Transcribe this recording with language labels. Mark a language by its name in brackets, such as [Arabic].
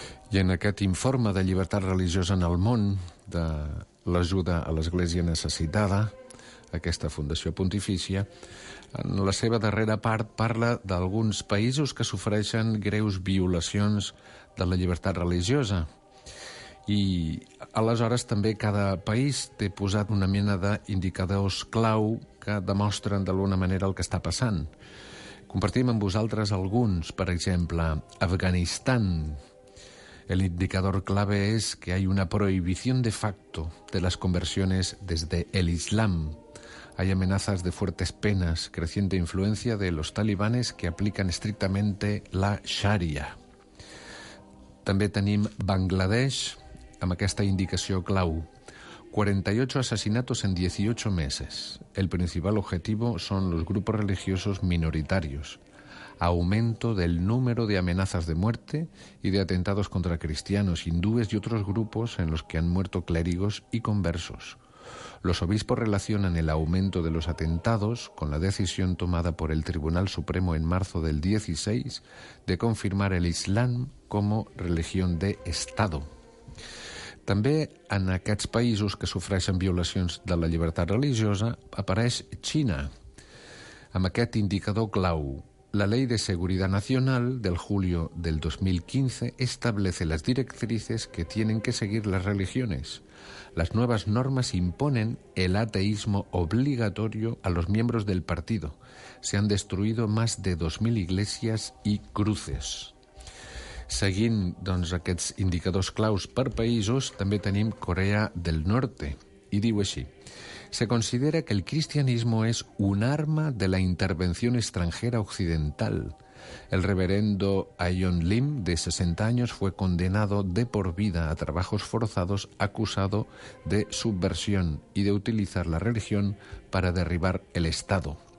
[Catalan] I en aquest informe de llibertat religiosa en el món, de l'ajuda a l'Església necessitada, aquesta Fundació Pontifícia, en la seva darrera part parla d'alguns països que sofreixen greus violacions de la llibertat religiosa. I aleshores també cada país té posat una mena d'indicadors clau que demostren d'alguna manera el que està passant. Compartim amb vosaltres alguns, per exemple, Afganistan. [Spanish] El indicador clave es que hay una prohibición de facto de las conversiones desde el Islam. Hay amenazas de fuertes penas, creciente influencia de los talibanes que aplican estrictamente la Sharia. [Catalan] També tenim Bangladesh amb aquesta indicació clau. [Spanish] 48 assassinatos en 18 meses. El principal objetivo son los grupos religiosos minoritarios. Aumento del número de amenazas de muerte y de atentados contra cristianos, hindúes y otros grupos en los que han muerto clérigos y conversos. Los obispos relacionan el aumento de los atentados con la decisión tomada por el Tribunal Supremo en marzo del 16 de confirmar el Islam como religión de Estado. [Catalan] També en aquests països que sofreixen violacions de la llibertat religiosa apareix Xina, amb aquest indicador clau. [Spanish] La Ley de Seguridad Nacional del julio del 2015 establece las directrices que tienen que seguir las religiones. Las nuevas normas imponen el ateísmo obligatorio a los miembros del partido. Se han destruido más de 2.000 iglesias y cruces. [Catalan] Seguint doncs, aquests indicadors claus per països, també tenim Corea del Norte. I diu així. [Spanish] Se considera que el cristianismo es un arma de la intervención extranjera occidental. El reverendo Ayon Lim, de 60 años, fue condenado de por vida a trabajos forzados, acusado de subversión y de utilizar la religión para derribar el Estado.